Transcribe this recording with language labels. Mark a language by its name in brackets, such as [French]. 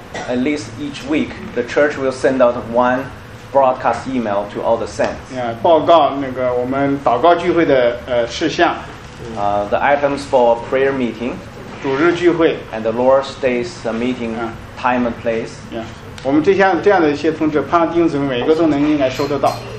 [English] At least each week, the church will send out one broadcast email to all the saints. [Chinese] 报告那个我们祷告聚会的事项。 [English] The items for prayer meeting. [Chinese] 主日聚会。 [English] And the Lord's Day's meeting time and place. [Chinese] 我们这样的一些通知，盼望弟兄姊妹每一个都能应该收得到。